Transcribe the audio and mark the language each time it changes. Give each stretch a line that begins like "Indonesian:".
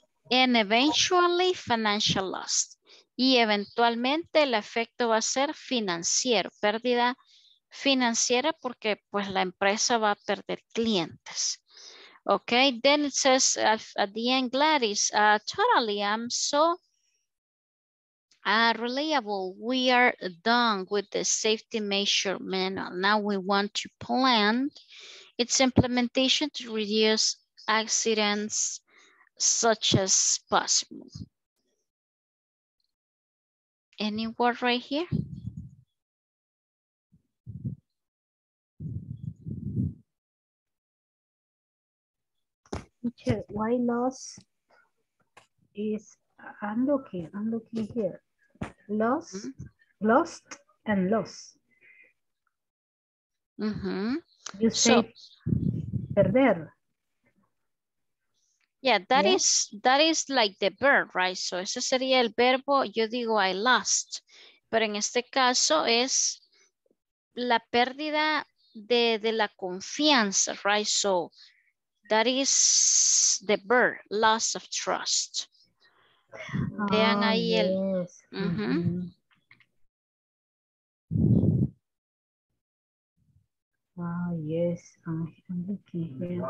English: And eventually financial loss.
Spanish: Y eventualmente el efecto va a ser financiero, pérdida financiera porque pues la empresa va a perder clientes.
English: Okay, then it says at the end, Gladys, totally, I'm so reliable. We are done with the safety measure manual. Now we want to plan its implementation to reduce accidents such as possible. Any word right here? Teacher, why loss is, I'm looking here. Loss, mm-hmm. Lost and loss. Mm-hmm. You say perder. Yeah, that is like the verb, right?
Spanish: So ese sería el verbo, yo digo
English: I lost.
Spanish: Pero en este caso es la pérdida de la confianza, right?
English: So that is the verb, loss of trust.
Spanish: Vean ahí yes. El... Mm-hmm. Mm-hmm.
English: Yes, I'm looking here.